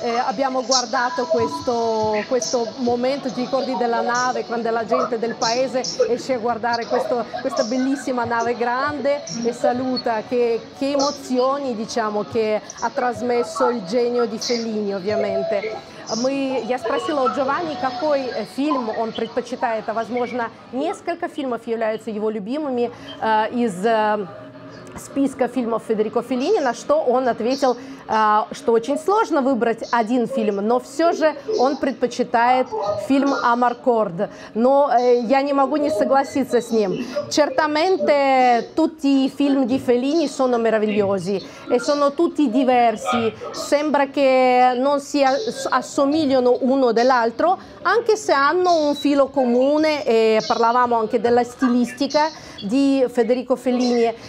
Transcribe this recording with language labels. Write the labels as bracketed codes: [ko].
[it] Abbiamo guardato questo momento, ti ricordi della nave, quando la gente del paese esce a guardare questa bellissima nave grande e saluta. Che emozioni, diciamo, che ha trasmesso il genio di Fellini, ovviamente. [ru] Я спросила у Джованни, какой фильм он предпочитает, а возможно несколько фильмов являются его любимыми из списка фильмов Федерико Феллини, на что он ответил, что очень сложно выбрать один фильм, но все же он предпочитает фильм «Амаркорд». Но я не могу не согласиться с ним. [it] Certamente tutti i film di Fellini sono meravigliosi e sono tutti diversi. Sembra che non si assomigliano uno dell'altro, anche se hanno un filo comune, e parlavamo anche della stilistica di Federico Fellini.